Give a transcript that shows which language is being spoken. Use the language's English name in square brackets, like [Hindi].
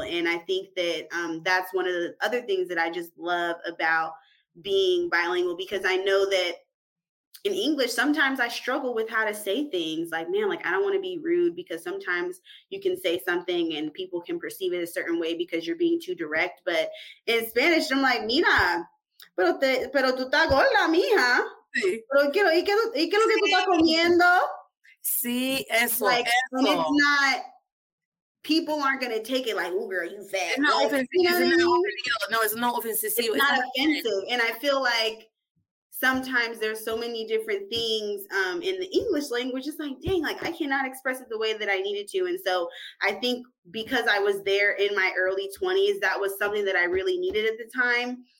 [English] And I think that that's one of the other things that I just love about being bilingual, because I know that in English, sometimes I struggle with how to say things like, man, like, I don't want to be rude, because sometimes you can say something and people can perceive it a certain way because you're being too direct. But in Spanish, I'm like, [Spanish] mira, pero tú estás gorda, mija. ¿Y qué es lo que tú estás comiendo? Sí, eso. [English] Like, [Spanish] eso. [English] And it's not, people aren't going to take it like, ooh, girl, you fat. It's not like, offensive. You know it's not offensive. No, it's not offensive. And I feel like sometimes there's so many different things in the English language. It's like, dang, like I cannot express it the way that I needed to. And so I think because I was there in my early 20s, that was something that I really needed at the time.